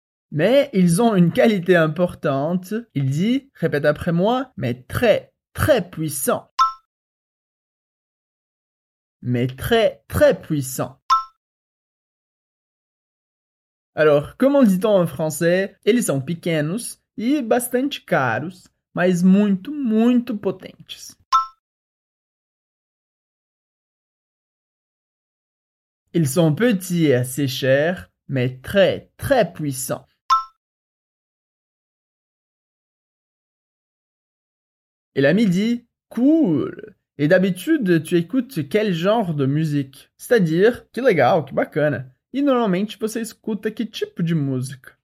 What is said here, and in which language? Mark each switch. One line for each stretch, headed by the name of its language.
French: Mais ils ont une qualité importante. Il dit, répète après moi, mais très, très puissants. Mais très, très puissants. Alors, comment dit-on en français?
Portuguese: Eles são pequenos e bastante caros, mas muito, muito potentes.
French: Ils sont petits et assez chers, mais très, très puissants. Et l'ami dit, cool! Et d'habitude, tu écoutes quel genre de musique? C'est-à-dire,
Portuguese: que legal, que bacana! E normalmente você escuta que tipo de música?